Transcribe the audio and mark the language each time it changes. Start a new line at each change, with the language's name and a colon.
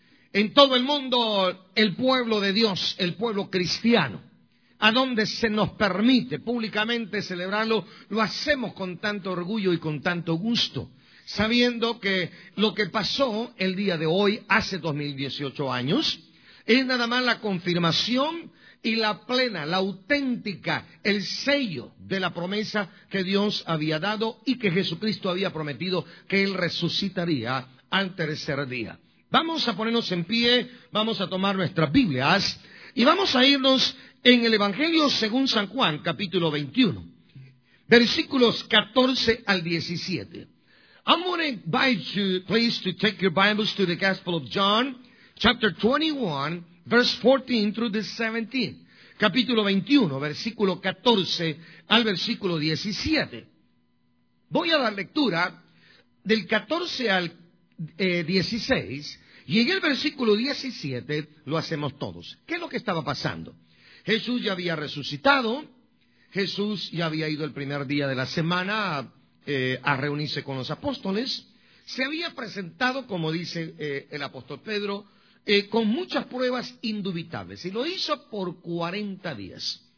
Spanish: En todo el mundo, el pueblo de Dios, el pueblo cristiano, a donde se nos permite públicamente celebrarlo, lo hacemos con tanto orgullo y con tanto gusto, sabiendo que lo que pasó el día de hoy, hace 2018 años, es nada más la confirmación y la plena, la auténtica, el sello de la promesa que Dios había dado y que Jesucristo había prometido que Él resucitaría al tercer día. Vamos a ponernos en pie, vamos a tomar nuestras Biblias y vamos a irnos en el Evangelio según San Juan, capítulo 21, versículos 14 al 17.
English: I'm going to invite you, please, to take your Bibles to the Gospel of John, chapter 21, verse 14 through the 17.
Spanish: Capítulo 21, versículo 14 al versículo 17. Voy a dar lectura del 14 al 16, y en el versículo 17 lo hacemos todos. ¿Qué es lo que estaba pasando? Jesús ya había resucitado, Jesús ya había ido el primer día de la semana a reunirse con los apóstoles, se había presentado, como dice el apóstol Pedro, con muchas pruebas indubitables, y lo hizo por 40 días.